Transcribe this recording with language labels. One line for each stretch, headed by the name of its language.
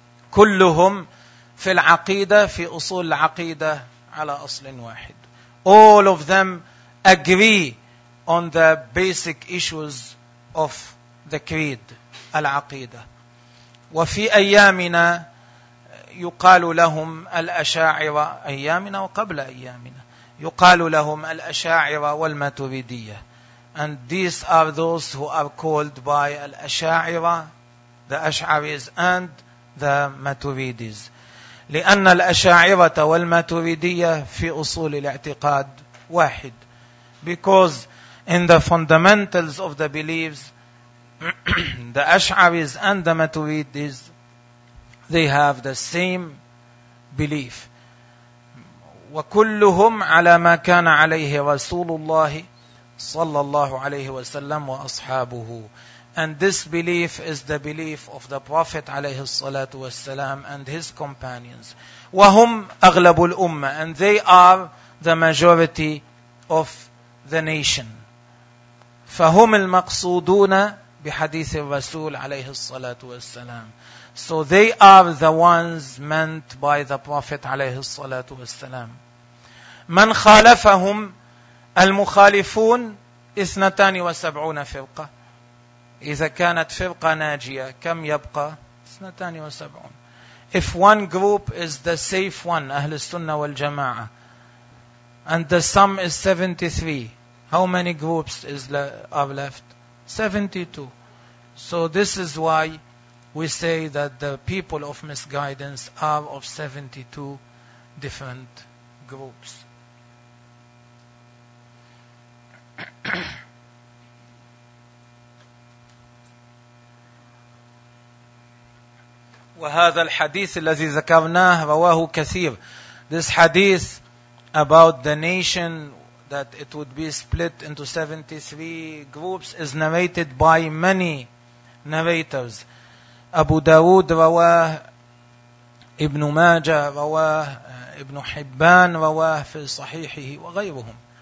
Arabic: كلهم في العقيدة في أصول العقيدة على أصل واحد.
English: All of them agree on the basic issues of the creed, العقيدة.
Arabic: وفي أيامنا يقال لهم الأشاعرة, أيامنا وقبل أيامنا, يقال لهم الأشاعرة والماتريدية.
English: And these are those who are called by الأشاعرة, the Asharis, and the Maturidis.
Arabic: لأن الأشاعرة والماتريدية في أصول الاعتقاد واحد.
English: Because in the fundamentals of the beliefs, the Ash'aris and the Maturidis, they have the same belief.
Arabic: وكلهم على ما كان عليه رسول الله صلى الله عليه وسلم وأصحابه.
English: And this belief is the belief of the Prophet عليه الصلاة والسلام and his companions.
Arabic: وهم أغلب الأمة.
English: And they are the majority of the nation.
Arabic: فهم المقصودون بحديث الرسول عليه الصلاة والسلام.
English: So they are the ones meant by the Prophet عليه الصلاة والسلام.
Arabic: من خالفهم المخالفون 72 فرقة. إذا كانت فرقة ناجية كم يبقى؟ 72.
English: If one group is the safe one, أهل السنة والجماعة, and the sum is 73, how many groups are left? 72. So this is why we say that the people of misguidance are of 72 different groups.
Arabic: وهذا الحديث الذي ذكرناه رواه كثير.
English: This hadith about the nation that it would be split into 73 groups is narrated by many narrators.
Arabic: Abu Dawood رواه, Ibn Majah رواه, Ibn Hibban رواه في صحيحه وغيرهم.